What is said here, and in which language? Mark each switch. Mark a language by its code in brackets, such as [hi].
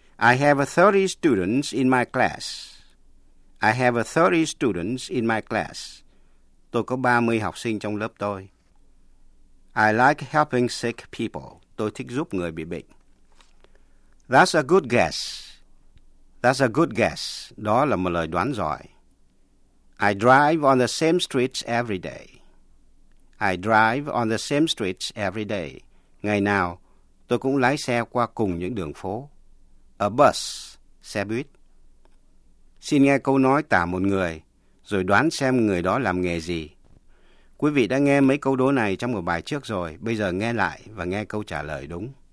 [en] I have 30 students in my class. I have 30 students in my class. [vi] Tôi có 30 học sinh trong lớp tôi. [en] I like helping sick people. [vi] Tôi thích giúp người bị bệnh. [en] That's a good guess. That's a good guess. [vi] Đó là một lời đoán giỏi. [en] I drive on the same streets every day. I drive on the same streets every day. [vi] Ngày nào, tôi cũng lái xe qua cùng những đường phố. A bus, xe buýt. Xin nghe câu nói tả một người, rồi đoán xem người đó làm nghề gì. Quý vị đã nghe mấy câu đố này trong một bài trước rồi, bây giờ nghe lại và nghe câu trả lời đúng.